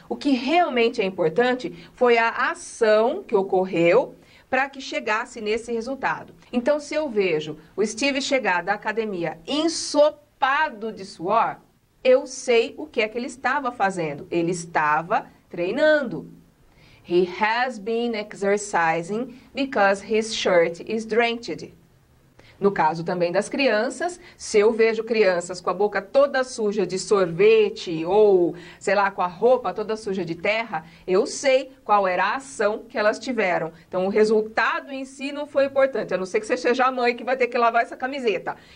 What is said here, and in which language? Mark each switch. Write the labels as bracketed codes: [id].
[pt] O que realmente é importante foi a ação que ocorreu para que chegasse nesse resultado. Então, se eu vejo o Steve chegar da academia ensopado de suor, eu sei o que é que ele estava fazendo. Ele estava treinando. [en] He has been exercising because his shirt is drenched. [pt] No caso também das crianças, se eu vejo crianças com a boca toda suja de sorvete ou, sei lá, com a roupa toda suja de terra, eu sei qual era a ação que elas tiveram. Então, o resultado em si não foi importante, a não ser que você seja a mãe que vai ter que lavar essa camiseta.